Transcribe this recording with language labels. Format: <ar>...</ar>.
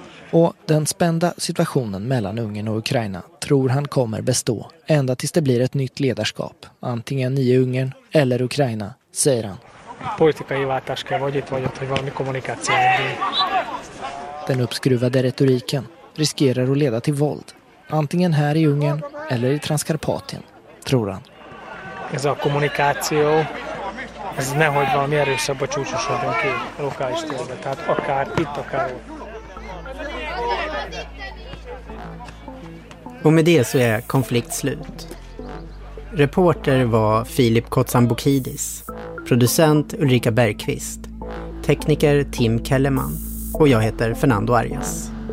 <sv>Och den spända situationen mellan Ungern och Ukraina tror han kommer bestå ända tills det blir ett nytt ledarskap, antingen nya Ungern eller Ukraina, säger han.</sv> <hu>Politikai váltás kell, vagy itt vagy ott, hogy valami kommunikáció.</hu> <sv>Den uppskruvade retoriken riskerar att leda till våld, antingen här i Ungern eller i Transkarpatien, tror han.</sv> <hu>Ez a kommunikáció, ez nehogy valami erősebb a csúcsosodjon ki lokális térbe, tehát akár itt, akár ott.</hu> <sv>Och med det så är konflikt slut. Reporter var Filip Kotsambokidis, producent Ulrika Bergqvist, tekniker Tim Kellerman och jag heter Fernando Arias.</sv>